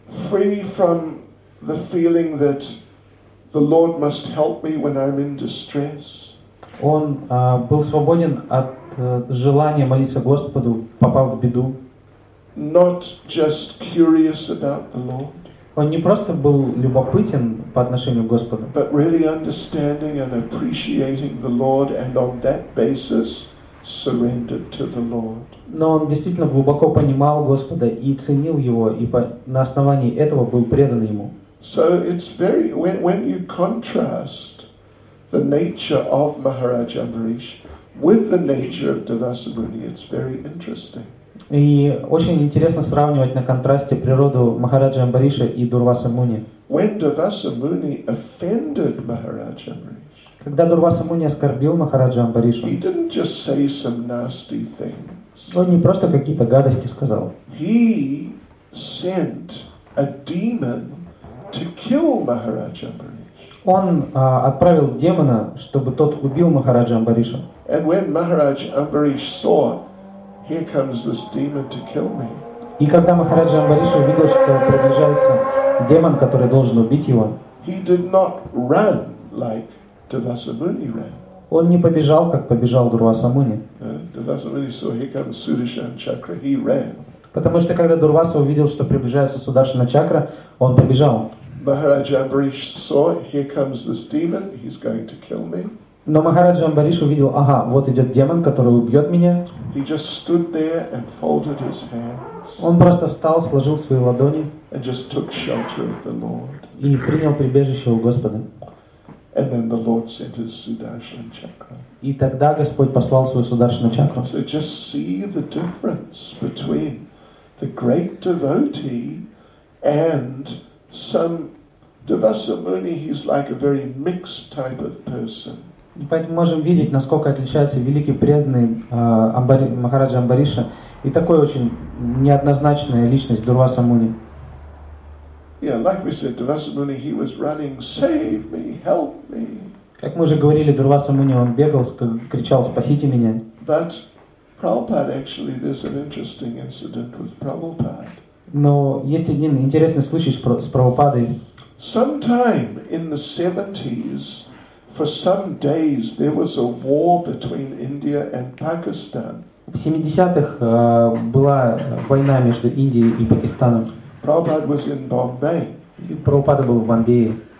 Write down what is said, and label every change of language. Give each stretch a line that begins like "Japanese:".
English: Free from the feeling that the Lord must help me when I'm in distress.
Russian: Он был свободен от желания молиться Господу, попав в беду.
English: Not just curious about the Lord.
Russian: Он не просто был любопытен по отношению к Господу,
English: but really understanding and appreciating the Lord, and on that basis surrendered to the Lord.
Russian: Но он действительно глубоко понимал Господа и ценил его, и на основании этого был предан ему.
English: So it's very when you contrast the nature of Maharaj Ambarish with the nature of Durvasamuni, it's very interesting.
Russian: И очень интересно сравнивать на контрасте природу Махараджа Амбариша и Дурвасамуни.
English: When Durvasamuni offended Maharaj Ambarish,
Russian: когда Дурвасамуни оскорбил Махараджа Амбариша,
English: he didn't just say some nasty things.
Russian: Он не просто какие-то гадости сказал.
English: He sent a demon to kill Maharaja Ambarish.
Russian: Он отправил демона, чтобы тот убил Махараджа Амбариша.
English: And when Maharaj Ambarish saw, here comes this demon to kill me.
Russian: И когда Махараджа Амбариша увидел, что приближается демон, который должен убить его,
English: he did not run like Durvasamuni ran.
Russian: Он не побежал, как побежал Дурвасамуни.
English: Durvasamuni saw here comes Sudarshan Chakra, he ran.
Russian: Потому что когда Дурваса увидел, что приближается Сударшана Чакра, он побежал.
English: Maharaja Ambarish saw here comes this demon, he's going to kill me.
Russian: Но Махараджа Амбариш увидел, ага, вот идет демон, который убьет меня.
English: He just stood there and folded his hands.
Russian: Он просто встал, сложил свои ладони.
English: And just took shelter of the Lord.
Russian: И принял прибежище у Господа.
English: And then the Lord sent his Sudarshan Chakra.
Russian: И тогда Господь послал свою Сударшану Чакру.
English: So just see the difference between the great devotee and some Durvasamuni, he's like a very mixed type of person.
Russian: Поэтому можем видеть, насколько отличается великий преданный Махараджа Амбариша и такой очень неоднозначная личность Дурвасамуни.
English: Yeah, like we said, Durvasamuni, he was running, save me, help me.
Russian: Как мы уже говорили, Дурвасамуни, он бегал, кричал, спасите меня.
English: But Prabhupada, actually, there's an interesting incident with Prabhupada.
Russian: Но есть один интересный случай с Прабхупадой.
English: Sometime in the 70s, for some days there was a war between India and Pakistan.
Russian: В 70-х была война между Индией и Пакистаном.
English: Prabhupada was in Bombay.
Russian: И Прабхупада был в Бомбее.